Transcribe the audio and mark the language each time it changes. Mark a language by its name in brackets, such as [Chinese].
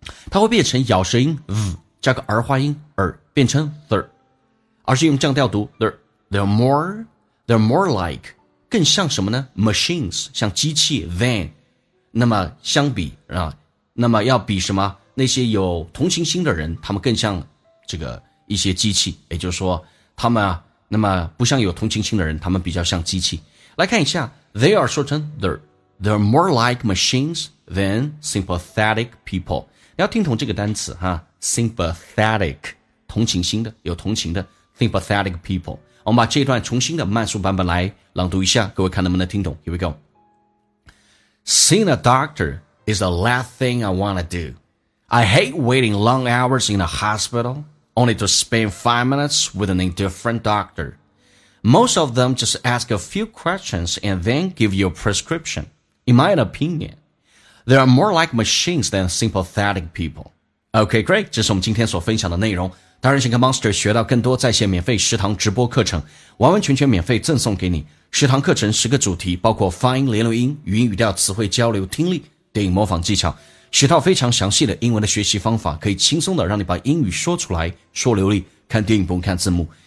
[Chinese] 它会变成咬舌音 ,v, 加个儿化音 ,er, 变成 thir, 而是用降调读 , [English] they're more like, [Chinese] 更像什么呢 ?machines, 像机器 ,than, 那么相比啊，那么要比什么那些有同情心的人，他们更像这个一些机器，也就是说他们啊，那么不像有同情心的人，他们比较像机器。来看一下 [English] They are certain they're more like machines than sympathetic people。 [Chinese] 你要听懂这个单词哈， sympathetic 同情心的，有同情的 [English] sympathetic people。 [Chinese] 我们把这段重新的慢速版本来朗读一下，各位看能不能听懂。 [English] Here we go。 Seeing a doctor is the last thing I want to do. I hate waiting long hours in a hospital only to spend 5 minutes with an indifferent doctor. Most of them just ask a few questions and then give you a prescription. In my opinion, they are more like machines than sympathetic people. OK, great. [Chinese] 这是我们今天所分享的内容。当然想跟 Monster 学到更多在线免费食堂直播课程，完完全全免费赠送给你。食堂课程十个主题，包括发音、连读音、语音语调、词汇交流、听力、电影模仿技巧，学到非常详细的英文的学习方法，可以轻松的让你把英语说出来，说流利，看电影不用看字幕。